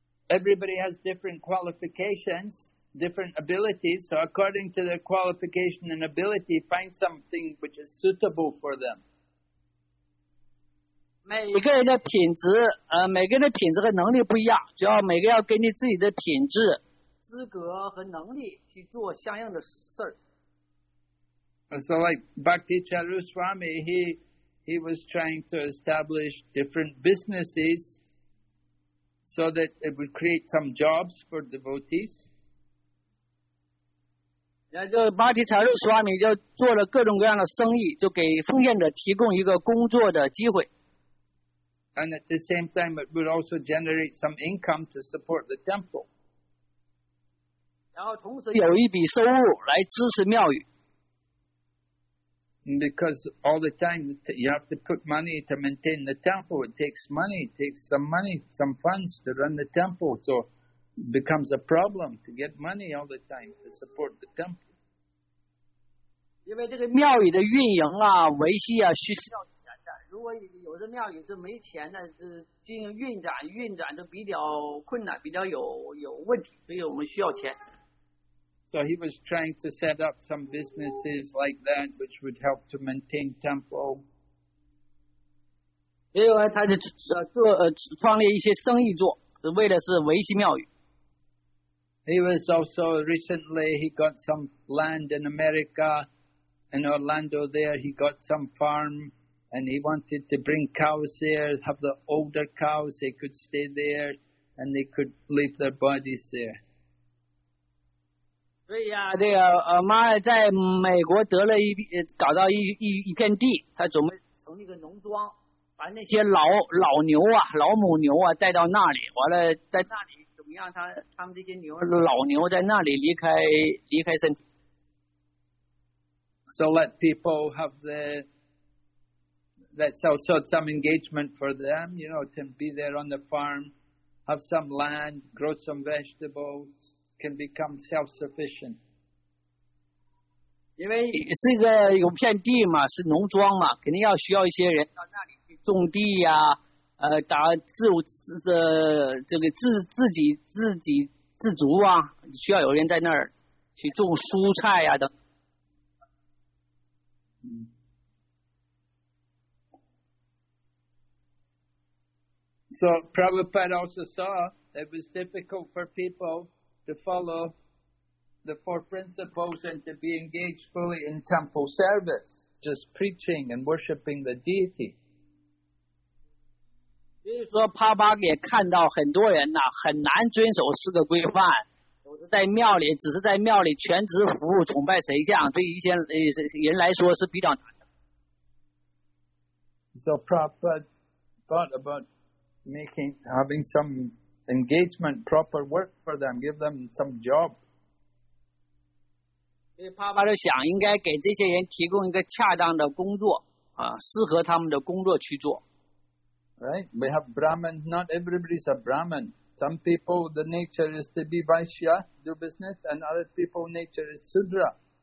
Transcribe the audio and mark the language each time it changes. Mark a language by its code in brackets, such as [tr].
[en] Everybody has different qualifications, different abilities, so according to their qualification and ability, find something which is suitable for them. [zh] 每个人的品质，每个人的品质和能力不一样，只要每个人要根据自己的品质、资格和能力去做相应的事儿。 [en] So like Bhaktisaru Swami, he was trying to establish different businesses so that it would create some jobs for devotees. [zh] 然后Bhaktisaru Swami就做了各种各样的生意，就给奉献者提供一个工作的机会。 [en] And at the same time, it would also generate some income to support the temple. [zh] 然后同时有一笔收入来支持庙宇。 [en] Because all the time you have to put money to maintain the temple, it takes money, it takes some money, some funds to run the temple, so it becomes a problem to get money all the time to support the temple. [zh] 因为这个庙宇的运营啊、维系啊，需要。如果有的庙宇是没钱的，是经营运转都比较困难，比较有问题，所以我们需要钱。 [en] So he was trying to set up some businesses like that, which would help to maintain temple. [zh] 所以他就创立一些生意做，为的是维系庙宇。 [en] He was also recently he got some land in America, in Orlando. There he got some farm. And he wanted to bring cows there, have the older cows, they could stay there, and they could leave their bodies there. [zh] 对呀，这个妈在美国得了搞到一片地，他准备成立个农庄，把那些老牛啊、老母牛啊带到那里，完了在那里怎么样？他们这些牛老牛在那里离开身体。 [en] So let people have the. That's also some engagement for them, you know, to be there on the farm, have some land, grow some vegetables, can become self-sufficient. [zh] 因为是个有片地嘛，是农庄嘛，肯定要需要一些人到那里去种地呀、啊，打自我这、这个自给自足啊，需要有人在那儿去种蔬菜呀、啊、等。 [en] So Prabhupada also saw that it was difficult for people to follow the four principles and to be engaged fully in temple service, just preaching and worshipping the deity. [zh] 所以说帕巴也看到很多人很难遵守四个规范，只是在庙里全职服务崇拜神像，对一些人来说是比较难的。 [en] So Prabhupada thought about making, having some engagement, proper work for them, give them some job. [zh] 所以帕巴就想应该给这些人提供一个恰当的工作，适合他们的工作去做。 [en] Right, we have Brahman, not everybody's a Brahman. Some people, the nature is to be Vaishya, do business, and other people, nature is Sudra.